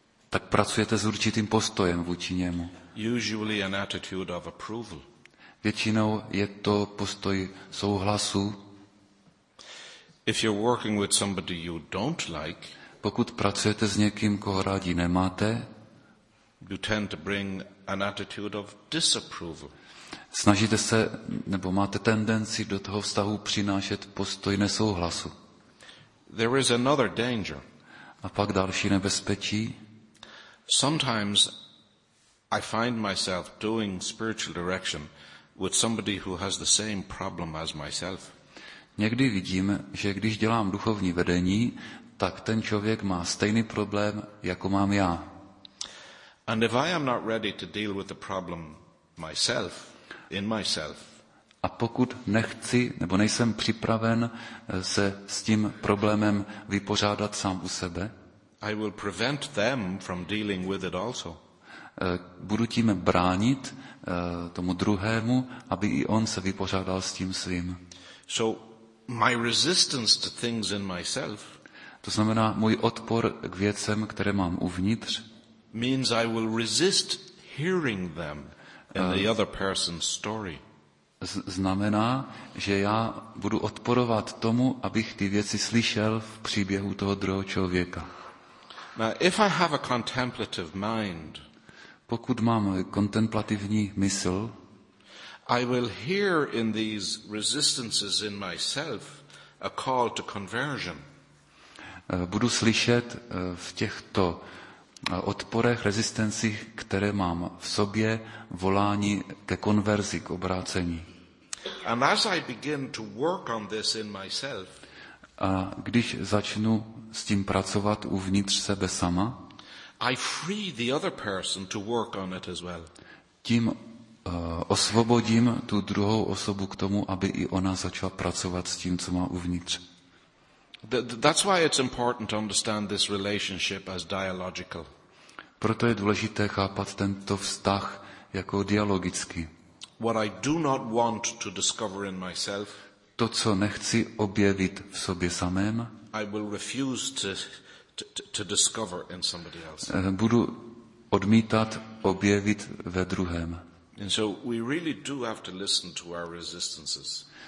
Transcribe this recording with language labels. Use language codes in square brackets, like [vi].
[cs] Tak pracujete s určitým postojem vůči němu. [en] Usually an attitude of approval. [cs] Většinou je to postoj souhlasu. [en] If you're working with somebody you don't like, [cs] pokud pracujete s někým, koho rádi nemáte, [en] you tend to bring an attitude of disapproval. [cs] Snažíte se, nebo máte tendenci do toho vztahu přinášet postoj nesouhlasu. [en] There is another danger. [cs] A pak další nebezpečí. [en] Sometimes I find myself doing spiritual direction with somebody who has the same problem as myself. [cs] Někdy vidím, že když dělám duchovní vedení, tak ten člověk má stejný problém, jako mám já. [en] And if I am not ready to deal with the problem myself, in myself. [cs] A pokud nechci nebo nejsem připraven se s tím problémem vypořádat sám u sebe, [en] I will prevent them from dealing with it also. [cs] Budu tím bránit tomu druhému, aby i on se vypořádal s tím svým. [en] So my resistance to things in myself. [cs] To znamená můj odpor k věcem, které mám uvnitř. [en] Means I will resist hearing them in the other person's story. [cs] Znamená, že já budu odporovat tomu, abych ty věci slyšel v příběhu toho druhého člověka. [en] Now, if I have a contemplative mind, [cs] pokud mám kontemplativní mysl, [en] I will hear in these resistances in myself a call to conversion. [cs] Budu slyšet v těchto odporech, rezistencích, které mám v sobě, volání ke konverzi, k obrácení. [en] And as I begin to work on this in myself, [cs] a když začnu s tím pracovat uvnitř sebe sama, [en] I free the other person to work on it as well. [cs] Tím osvobodím tu druhou osobu k tomu, aby i ona začala pracovat s tím, co má uvnitř. [en] That's why it's important to understand this relationship as dialogical. [cs] Proto je důležité chápat tento vztah jako dialogický. [en] What I do not want to discover in myself, [cs] to, co nechci objevit v sobě samém, [en] I will refuse to discover in somebody else. [cs] Budu odmítat objevit ve druhém. [en] And so we really do have to listen to our resistances.